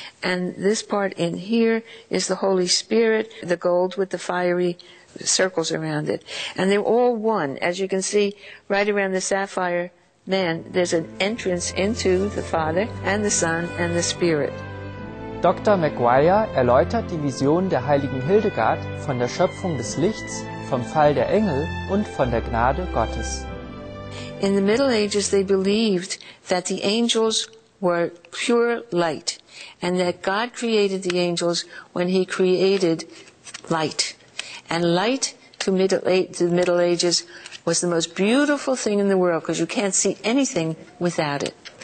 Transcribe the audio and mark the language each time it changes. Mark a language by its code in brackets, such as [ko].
[en] And this part in here is the Holy Spirit, the gold with the fiery circles around it, and they're all one. As you can see, right around the sapphire man, there's an entrance into the Father and the Son and the Spirit. [de] Dr. McGuire erläutert die Vision der heiligen Hildegard von der Schöpfung des Lichts, vom Fall der Engel und von der Gnade Gottes. [en] In the Middle Ages, they believed that the angels were pure light, and that God created the angels when he created light. And light to the Middle Ages was the most beautiful thing in the world, because you can't see anything without it.